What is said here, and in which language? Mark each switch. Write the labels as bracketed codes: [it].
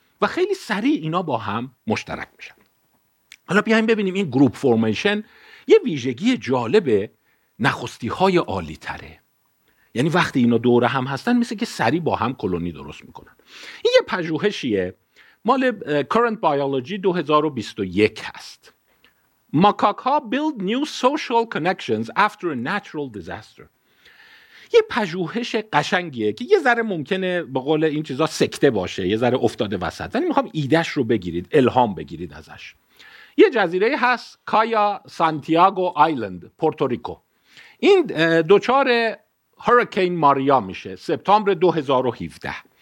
[fa] و خیلی سریع اینا با هم مشترک میشن. حالا بیایم ببینیم این گروپ فورمیشن یه ویژگی جالبه نخستی‌های عالی تره. یعنی وقتی اینا دور هم هستن میشه که سریع با هم کلونی درست میکنن. این یه پژوهشیه مال Current Biology 2021 هست. ماکاک ها [en] build new social connections after a natural disaster. [fa] یه پژوهش قشنگیه که یه ذره ممکنه به قول این چیزا سکته باشه، یه ذره افتاده وسط، ولی میخوام ایدهش رو بگیرید، الهام بگیرید ازش. یه جزیره هست کایا سانتیاگو آیلند پورتوریکو، این دوچار هوریکین ماریا میشه سپتامبر 2017.